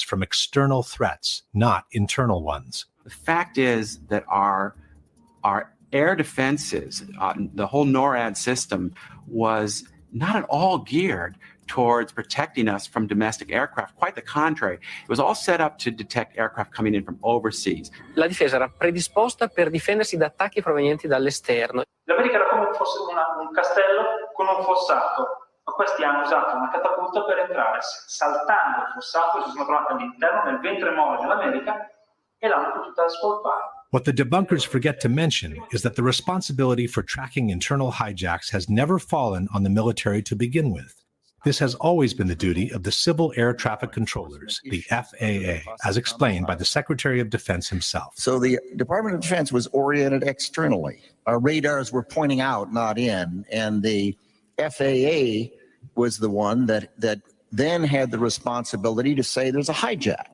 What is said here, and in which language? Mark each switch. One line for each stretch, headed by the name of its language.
English: from external threats, not internal ones. The fact is that our air defenses, the whole NORAD system, was not at all geared towards protecting us from domestic aircraft. Quite the contrary. It was all set up to detect aircraft coming in from overseas.
Italian: La difesa era predisposta per difendersi da attacchi provenienti dall'esterno. L'America era come fosse un castello con un fossato, ma questi hanno usato una catapulta per entrare. Saltando il fossato, si sono trovati all'interno, nel ventre molle dell'America, e l'hanno potuta scolpare.
English: What the debunkers forget to mention is that the responsibility for tracking internal hijacks has never fallen on the military to begin with. This has always been the duty of the civil air traffic controllers, the FAA, as explained by the Secretary of Defense himself. So the Department of Defense was oriented externally. Our radars were pointing out, not in, and the FAA was the one that then had the responsibility to say there's a hijack.